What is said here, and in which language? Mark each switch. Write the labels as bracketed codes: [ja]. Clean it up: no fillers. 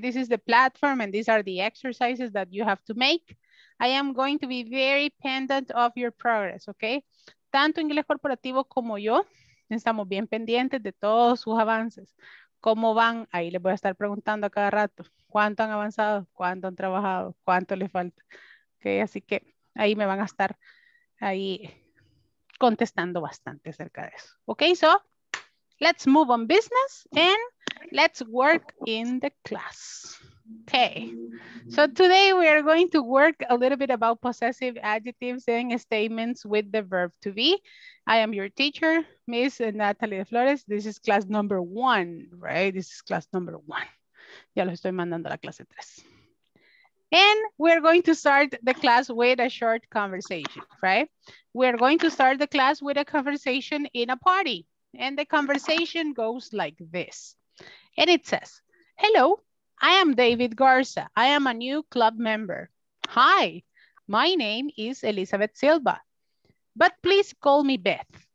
[en] This is the platform and these are the exercises that you have to make. I am going to be very pendant of your progress, ok? [es] Tanto Inglés Corporativo como yo, estamos bien pendientes de todos sus avances. ¿Cómo van? Ahí les voy a estar preguntando a cada rato. ¿Cuánto han avanzado? ¿Cuánto han trabajado? ¿Cuánto les falta? Okay, así que ahí me van a estar ahí contestando bastante acerca de eso. Ok, so [en] let's move on business and let's work in the class. Okay, so today we are going to work a little bit about possessive adjectives and statements with the verb to be. I am your teacher, Miss Natalie Flores. This is class number one, right? This is class number one. [es] Ya los estoy mandando a la clase tres. [en] And we're going to start the class with a short conversation, right? We're going to start the class with a conversation in a party. And the conversation goes like this. And it says, hello, I am David Garza. I am a new club member. Hi, my name is Elizabeth Silva, but please call me Beth.